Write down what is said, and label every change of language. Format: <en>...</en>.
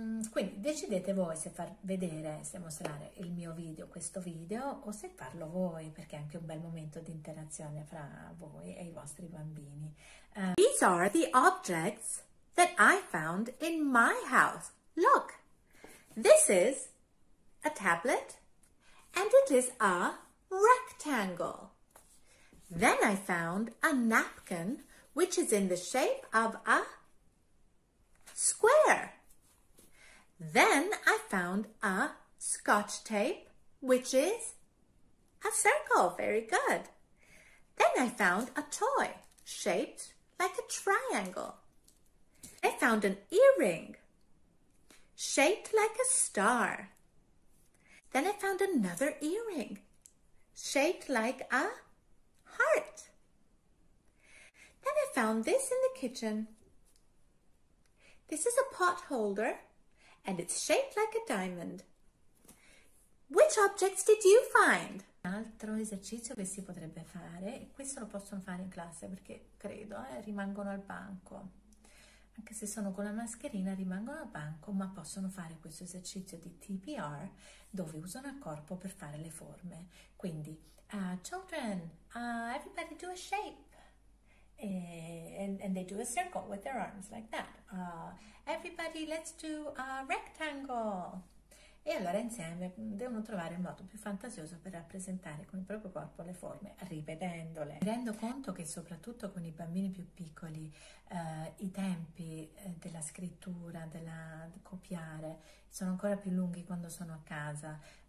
<it>Quindi decidete voi se far vedere, se mostrare il mio video, questo video, o se farlo voi, perché è anche un bel momento di interazione fra voi e i vostri bambini.</it> <en>These are the objects that I found in my house. Look, this is a tablet and it is a rectangle. Then I found a napkin which is in the shape of a square. Then I found a scotch tape, which is a circle. Very good. Then I found a toy shaped like a triangle. I found an earring shaped like a star. Then I found another earring shaped like a heart. Then I found this in the kitchen. This is a pot holder and it's shaped like a diamond. Which objects did you find?</en> <it>Un altro esercizio che si potrebbe fare, e questo lo possono fare in classe perché credo rimangono al banco. Anche se sono con la mascherina rimangono al banco, ma possono fare questo esercizio di TPR dove usano il corpo per fare le forme.</it> <en>Quindi, children, everybody do a shape. And they do a circle with their arms like that. Everybody, let's do a rectangle.</en> <it>E allora insieme devono trovare il modo più fantasioso per rappresentare con il proprio corpo le forme, ripetendole. Mi rendo conto che soprattutto con i bambini più piccoli i tempi della scrittura, della copiare, sono ancora più lunghi quando sono a casa.</it>